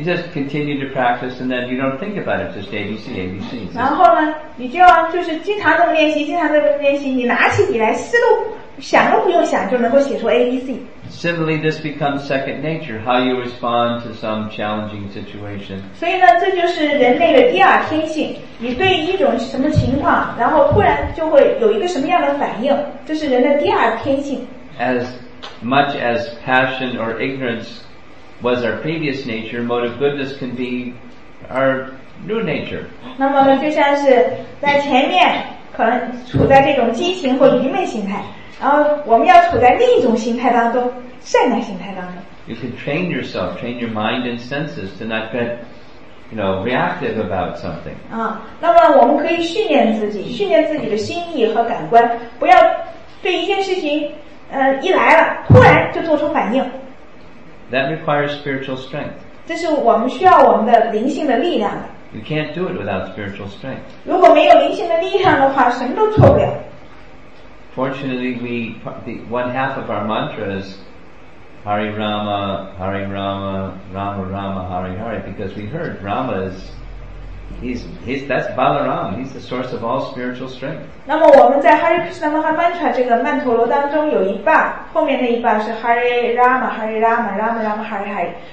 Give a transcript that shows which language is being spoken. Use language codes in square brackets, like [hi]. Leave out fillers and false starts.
[en] You just continue to practice, and then you don't think about it. Just A B C A B C. [zh] 然后呢，你就要就是经常这么练习，经常这么练习。你拿起笔来，思路想都不用想，就能够写出 A B C. [en] Similarly, this becomes second nature. How you respond to some challenging situation. [zh] 所以呢，这就是人类的第二天性。你对一种什么情况，然后突然就会有一个什么样的反应，这是人的第二天性。 [en] As much as passion or ignorance. Was our previous nature, mode of goodness can be our new nature. [zh] 那么呢，就像是在前面可能处在这种激情或愚昧心态，然后我们要处在另一种心态当中，善良心态当中。 [en] You can train yourself, train your mind and senses to not get, you know, reactive about something. [zh] 那么我们可以训练自己，训练自己的心意和感官，不要对一件事情，一来了，突然就做出反应。 [en] That requires spiritual strength. [zh] 这是我们需要我们的灵性的力量的。 [en] You can't do it without spiritual strength. [zh] 如果没有灵性的力量的话，什么都做不了。 [en] Fortunately, the one half of our mantra is Hari Rama, Hari Rama, Rama Rama, Hari Hari, because we heard Rama is he's that's Balaram. He's the source of all spiritual strength. [zh] 那么我们在 Hari Krishna Mahamantra 这个曼陀罗当中有一半，后面那一半是 Hari Rama, Hari Rama, Rama Rama, Hari Hari。